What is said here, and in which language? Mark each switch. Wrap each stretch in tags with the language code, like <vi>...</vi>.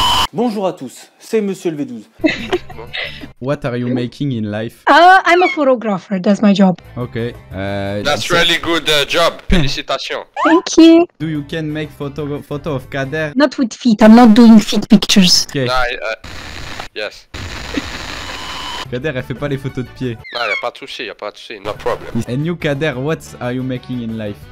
<fr>Bonjour à tous, c'est Monsieur le V12.</fr> <en>What are you making in life? I'm a photographer, that's my job. Okay. That's really good job, félicitations. Thank you. Do you can make photo of Kader? Not with feet, I'm not doing feet pictures. Okay. Yes.</en> <fr>Kader, elle fait pas les photos de pied. Non, y'a pas de soucis, y'a pas de soucis,</fr> <en>no problem. And you, Kader, what are you making in life?</en>